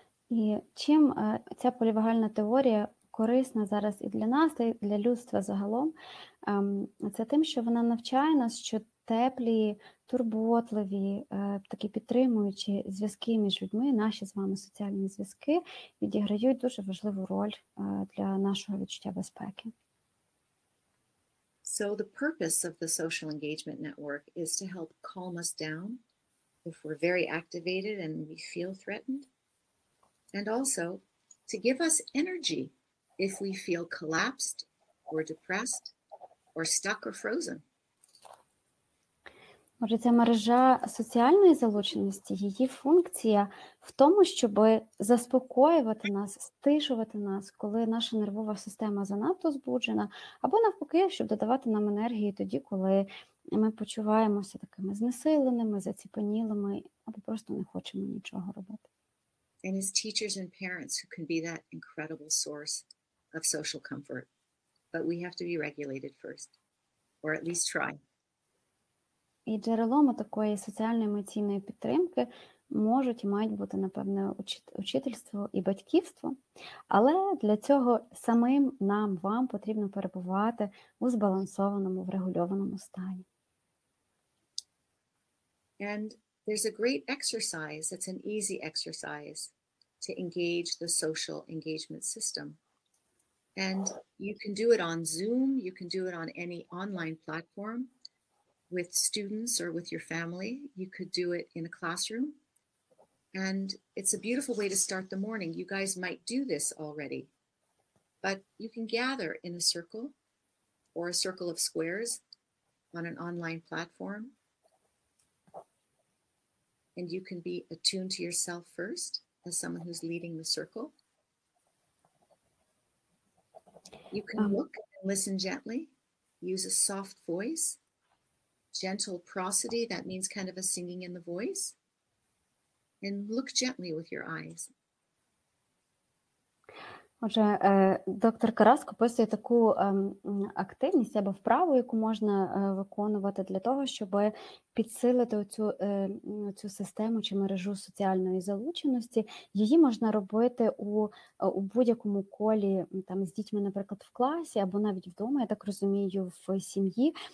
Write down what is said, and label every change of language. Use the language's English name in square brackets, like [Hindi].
[Ukrainian] І чим ця полівагальна теорія корисна зараз і для нас, і для людства загалом, це тим, що вона навчає нас, що теплі, турботливі, такі підтримуючі зв'язки між людьми, наші з вами соціальні зв'язки, відіграють дуже важливу роль для нашого відчуття безпеки. [English] So the purpose of the social engagement network is to help calm us down if we're very activated and we feel threatened, and also to give us energy if we feel collapsed or depressed or stuck or frozen. [Ukrainian] Може, ця мережа соціальної залученості, її функція в тому, щоб заспокоювати нас, стишувати нас, коли наша нервова система занадто збуджена, або навпаки, щоб додавати нам енергії тоді, коли ми почуваємося такими знесиленими, заціпанілими, або просто не хочемо нічого робити. [English] And as teachers and parents who can be that incredible source of social comfort, but we have to be regulated first, or at least try. [Ukrainian] І джерелом такої соціально-емоційної підтримки можуть і мають бути, напевне, учительство і батьківство. Але для цього самим нам, вам потрібно перебувати у збалансованому, врегульованому стані. [English] And there's a great exercise, it's an easy exercise to engage the social engagement system. And you can do it on Zoom, you can do it on any online platform. With students or with your family, you could do it in a classroom. And it's a beautiful way to start the morning. You guys might do this already, but you can gather in a circle or a circle of squares on an online platform. And you can be attuned to yourself first as someone who's leading the circle. You can look and listen gently, use a soft voice. Gentle prosody, that means kind of a singing in the voice. And look gently with your eyes. [Ukrainian] Отже, доктор Караско описує таку активність або вправу, яку можна виконувати для того, щоб підсилити цю систему чи мережу соціальної залученості. Її можна робити у будь-якому колі, там з дітьми, наприклад, в класі або навіть вдома, я так розумію, в сім'ї.